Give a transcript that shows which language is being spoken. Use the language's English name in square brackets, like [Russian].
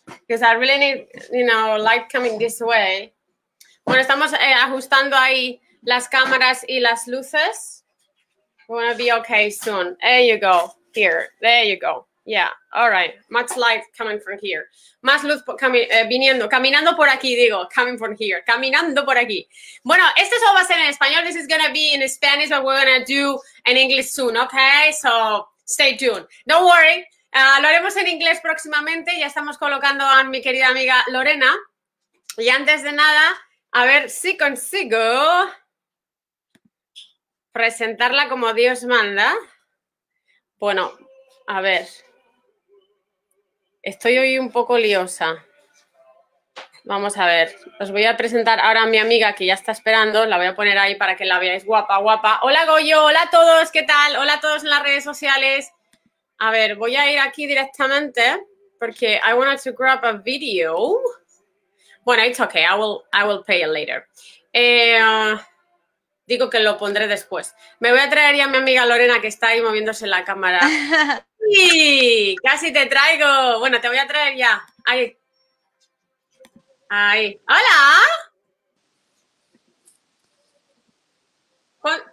[English] Because I really need, light coming this way. [Spanish] Bueno, estamos ajustando ahí las cámaras y las luces. [English] We're gonna be okay soon. There you go. Here. There you go. Yeah. All right. Much light coming from here. [Spanish] Más luz viniendo. Caminando por aquí, digo. [English] Coming from here. [Spanish] Caminando por aquí. Bueno, esto solo va a ser en español. [English] This is gonna be in Spanish, but we're gonna do in English soon, okay? So, stay tuned. Don't worry. [Spanish] Lo haremos en inglés próximamente. Ya estamos colocando a mi querida amiga Lorena. Y antes de nada, a ver si consigo presentarla como Dios manda. Bueno, a ver. Estoy hoy un poco liosa. Vamos a ver. Os voy a presentar ahora a mi amiga que ya está esperando. La voy a poner ahí para que la veáis guapa, guapa. Hola Goyo, hola a todos, ¿qué tal? Hola a todos en las redes sociales. A ver, voy a ir aquí directamente porque [English] I wanted to grab a video. Bueno, it's okay, I will pay it later. [Spanish] Digo que lo pondré después. Me voy a traer ya a mi amiga Lorena que está ahí moviéndose en la cámara. ¡Sí! Casi te traigo. Bueno, te voy a traer ya. Ahí. Ahí. ¡Hola!